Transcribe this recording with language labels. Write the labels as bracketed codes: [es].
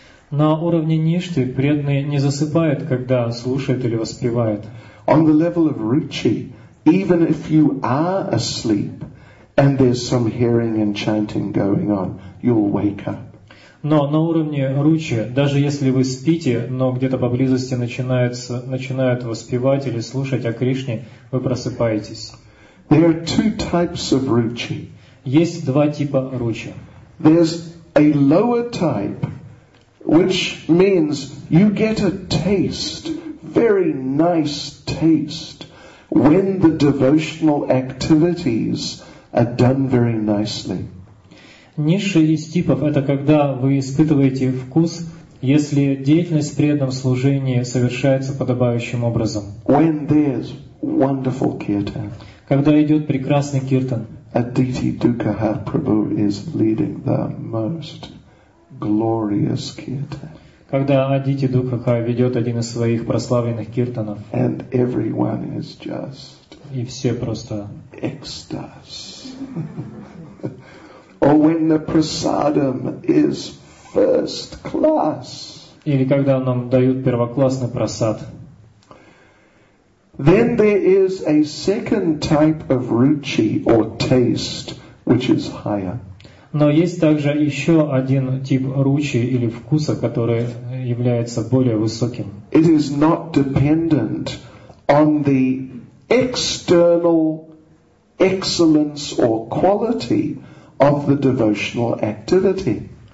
[ru] На уровне ништы преданный не засыпает, когда слушает или воспевает. [en] On the level of ruchi, even if you are asleep and there's some hearing and chanting going on, you'll wake up. [ru] Но на уровне ручья, даже если вы спите, но где-то поблизости начинают воспевать или слушать о Кришне, вы просыпаетесь. [en] There are two types of ruchi. [ru] Есть два типа ручья. [en] There's a lower type, which means you get a taste, very nice taste, when the devotional activities are done very nicely. [ru] Низший из типов — это когда вы испытываете вкус, если деятельность в преданном служении совершается подобающим образом. [en] When there's wonderful kirtan. [ru] Когда идет прекрасный киртан. [en] Aditi Dukkha Prabhu is leading the most glorious kirtan. [ru] Когда Адити Дукха ведет один из своих прославленных киртанов. [en] And everyone is just. [ru] И все просто. Экстаз. [en] Or when the prasadam is first class. [ru] Или когда нам дают первоклассный прасад. [en] Then there is a second type of ruchi or taste, which is higher. [ru] Но есть также еще один тип ручи или вкуса, который является более высоким. [en] It is not dependent on the external excellence or quality of the devotional activity.